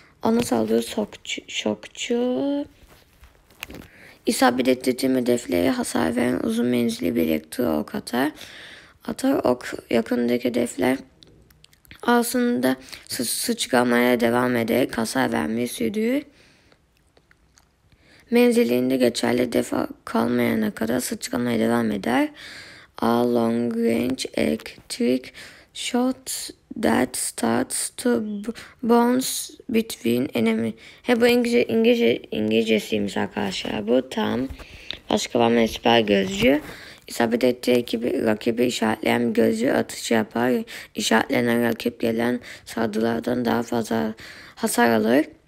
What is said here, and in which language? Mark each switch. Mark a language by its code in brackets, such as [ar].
[tr] Ona saldırı şokçu. İsabet ettirdiğim hedefleri hasar veren uzun menzilli bir elektro ok atar. Atar ok yakındaki hedefler aslında sıçramaya devam ederek hasar vermeyi sürdürür. Menzilinde geçerli defa kalmayana kadar sıçramaya devam eder. [en] A long range electric shot that starts to bounce between enemy. [tr] He bu İngilizcesiymiş arkadaşlar. Bu tam başka var mı? Süper gözcü. İsabet ettiği ekibi, rakibi işaretleyen bir gözcü atışı yapar. İşaretlenen rakip gelen saldırılardan daha fazla hasar alır.